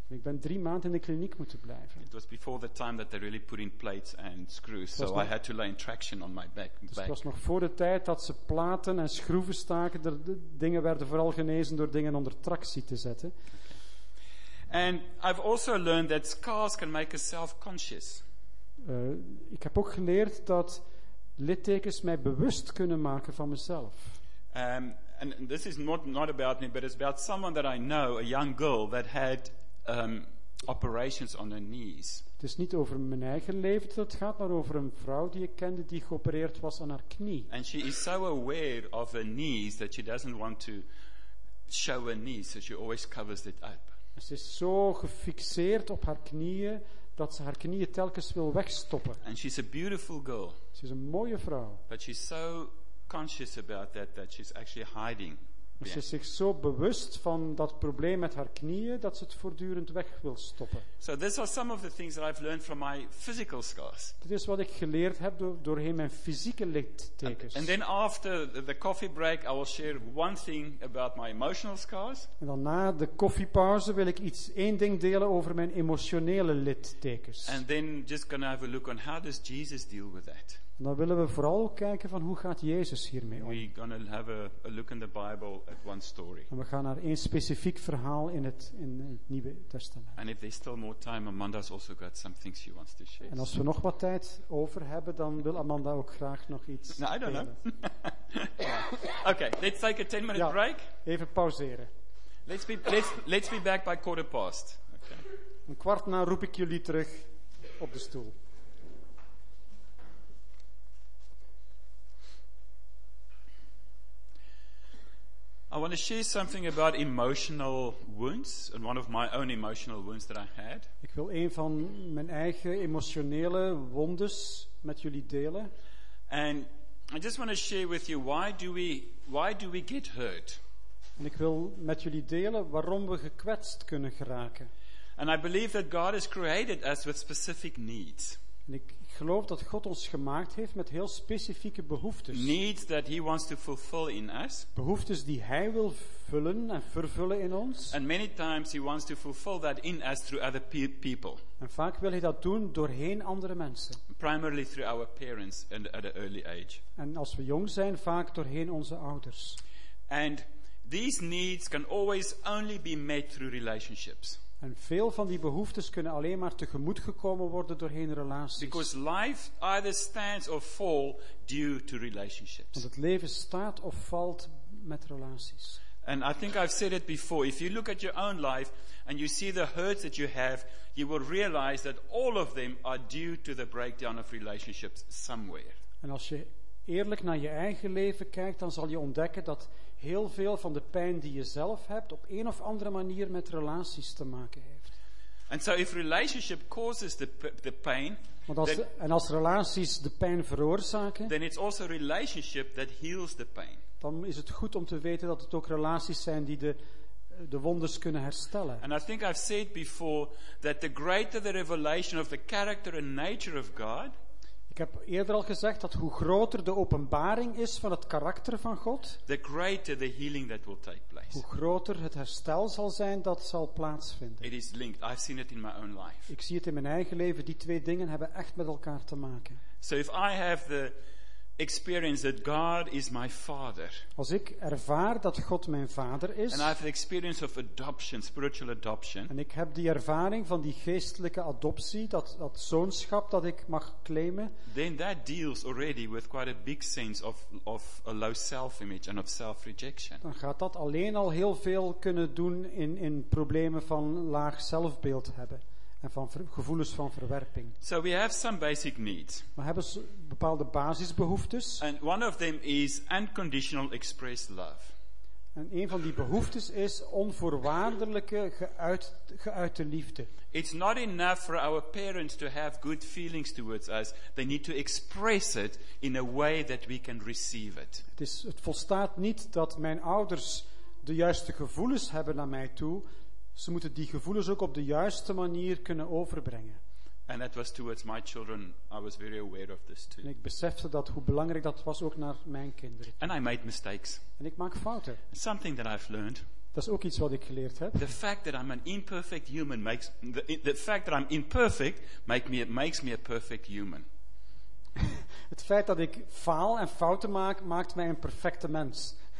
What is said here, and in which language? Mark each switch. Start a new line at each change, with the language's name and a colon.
Dutch: En ik ben 3 maanden in de kliniek moeten blijven.
English: It was before the time that they really put in plates and screws, so I had to lay in traction on my back.
Dutch: Dus het was nog voor de tijd dat ze platen en schroeven staken. De dingen werden vooral genezen door dingen onder tractie te zetten.
English: Okay. And I've also learned that scars can make us self-conscious.
Dutch: Ik heb ook geleerd dat littekens mij bewust kunnen maken van mezelf.
English: And this is not about me, but it's about someone that I know, a young girl that had operations on her knees.
Dutch: Het is niet over mijn eigen leven dat het gaat, maar over een vrouw die ik kende die geopereerd was aan haar knie.
English: And she is so aware of her knees that she doesn't want to show her knees, so she always covers it up.
Dutch: Ze is zo gefixeerd op haar knieën dat ze haar knieën telkens wil wegstoppen.
English: And she's a beautiful girl.
Dutch: Ze is een mooie vrouw.
English: But she's so conscious about that she's actually hiding
Dutch: Ze is zich zo bewust van dat probleem met haar knieën dat ze het voortdurend weg wil stoppen.
English: So these are some of the things that I've learned from my physical scars.
Dutch: Dit is wat ik geleerd heb doorheen mijn fysieke littekens.
English: And then after the coffee break, I will share one thing about my emotional scars.
Dutch: En dan na de koffiepauze wil ik één ding delen over mijn emotionele littekens.
English: And then just gonna have a look on how does Jesus deal with that.
Dutch: En dan willen we vooral ook kijken van hoe gaat Jezus hiermee om.
English: We're gonna have a look in the Bible at one story.
Dutch: En we gaan naar één specifiek verhaal in het Nieuwe Testament.
English: And if there's still more time, Amanda's also got some things she wants to share.
Dutch: En als we nog wat tijd over hebben, dan wil Amanda ook graag nog iets.
English: No, I don't
Dutch: delen.
English: Know. Okay, let's take a 10-minute break.
Dutch: Even pauzeren.
English: Let's be back by 15:15. Okay.
Dutch: Een kwart na roep ik jullie terug op de stoel.
English: I want to share something about emotional wounds and one of my own emotional wounds that I had.
Dutch: Ik wil een van mijn eigen emotionele wondes met jullie delen.
English: And I just want to share with you why do we get hurt?
Dutch: En ik wil met jullie delen waarom we gekwetst kunnen geraken.
English: And I believe that God has created us with specific needs.
Dutch: En ik geloof dat God ons gemaakt heeft met heel specifieke behoeftes.
English: Needs that he wants to fulfill in us.
Dutch: Behoeftes die hij wil vullen en vervullen in ons.
English: And many times he wants to fulfill that in us through other people.
Dutch: En vaak wil hij dat doen doorheen andere mensen.
English: Primarily through our parents and at an early age.
Dutch: En als we jong zijn, vaak doorheen onze ouders.
English: And these needs can always only be met through relationships.
Dutch: En veel van die behoeftes kunnen alleen maar tegemoet gekomen worden doorheen relaties.
English: Because life either stands or falls due to relationships.
Dutch: Want het leven staat of valt met relaties.
English: And I think I've said it before. If you look at your own life and you see the hurts that you have, you will realize that all of them are due to the breakdown of relationships somewhere.
Dutch: En als je eerlijk naar je eigen leven kijkt, dan zal je ontdekken dat heel veel van de pijn die je zelf hebt op een of andere manier met relaties te maken heeft.
English: And so if relationship causes the pain,
Dutch: als relaties de pijn veroorzaken,
English: then it's also relationship that heals the pain.
Dutch: Dan is het goed om te weten dat het ook relaties zijn die de wonders kunnen herstellen.
English: And I think I've said before that the greater the revelation of the character and nature of God.
Dutch: Ik heb eerder al gezegd dat hoe groter de openbaring is van het karakter van God,
English: the greater the healing that will take place.
Dutch: Hoe groter het herstel zal zijn, dat zal plaatsvinden.
English: It is linked. I've seen it in my own life.
Dutch: Ik zie het in mijn eigen leven. Die twee dingen hebben echt met elkaar te maken.
English: So if I have the experience that God is my father.
Dutch: Als ik ervaar dat God mijn vader is.
English: And I have the experience of adoption, spiritual adoption.
Dutch: En ik heb die ervaring van die geestelijke adoptie, dat zoonschap dat ik mag claimen.
English: Then that deals already with quite a big sense of a low self-image and of self-rejection.
Dutch: Dan gaat dat alleen al heel veel kunnen doen in problemen van laag zelfbeeld hebben. En van gevoelens van verwerping.
English: So we have some basic needs.
Dutch: We hebben bepaalde basisbehoeftes.
English: And one of them is unconditional expressed love.
Dutch: En een van die behoeftes is onvoorwaardelijke geuite liefde.
English: It's not enough for our parents to have good feelings towards us. They need to express it in a way that we can receive it.
Dutch: Het volstaat niet dat mijn ouders de juiste gevoelens hebben naar mij toe. Ze moeten die gevoelens ook op de juiste manier kunnen overbrengen.
English: And that was towards my children. I was very aware of this too.
Dutch: En ik besefte dat hoe belangrijk dat was ook naar mijn kinderen.
English: And I made mistakes.
Dutch: En ik maak fouten.
English: Something that I've learned.
Dutch: Dat is ook iets wat ik geleerd heb.
English: The fact that I'm an imperfect human makes the fact that I'm imperfect makes me a perfect human.
Dutch: Het feit dat ik faal en fouten maak maakt mij een perfecte mens.